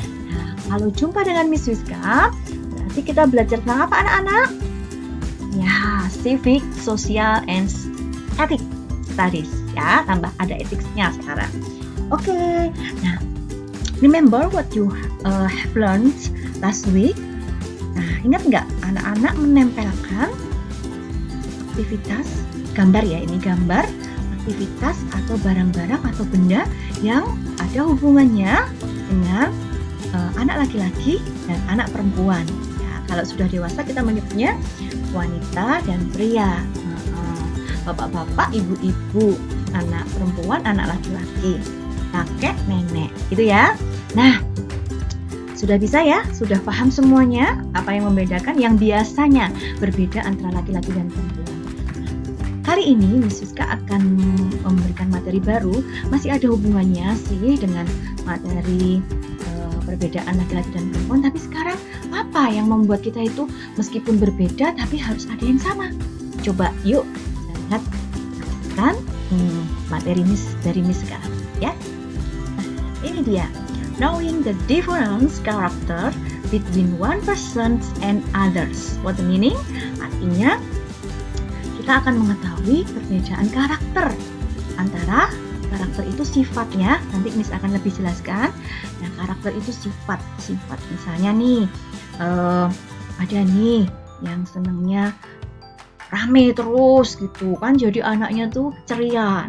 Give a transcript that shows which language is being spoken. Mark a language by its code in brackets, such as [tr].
[id] Nah, kalau jumpa dengan Miss Wiska, berarti kita belajar tentang apa anak-anak? [en] Ya, civic, social, and ethic studies, ya. [id] Tambah ada ethics-nya sekarang. Oke, nah, [en] remember what you have learned last week? [id] Nah, ingat nggak anak-anak menempelkan aktivitas gambar, ya, ini gambar aktivitas atau barang-barang atau benda yang ada hubungannya dengan anak laki-laki dan anak perempuan, ya. Kalau sudah dewasa kita menyebutnya wanita dan pria, bapak-bapak, ibu-ibu, anak perempuan, anak laki-laki, kakek, nenek, gitu ya. Nah, sudah bisa, ya, sudah paham semuanya apa yang membedakan yang biasanya berbeda antara laki-laki dan perempuan. Hari ini Miss Wiska akan memberikan materi baru, masih ada hubungannya sih dengan materi perbedaan laki-laki dan perempuan, tapi sekarang apa yang membuat kita itu meskipun berbeda tapi harus ada yang sama? Coba yuk kita lihat kan materi Miss dari Miss Wiska, ya. Nah, ini dia, [en] knowing the difference character between one person and others. What the meaning? [id] Artinya kita akan mengetahui perbedaan karakter antara karakter itu sifatnya, nanti Miss akan lebih jelaskan. Nah, karakter itu sifat misalnya nih, ada nih yang senangnya rame terus gitu kan, jadi anaknya tuh ceria.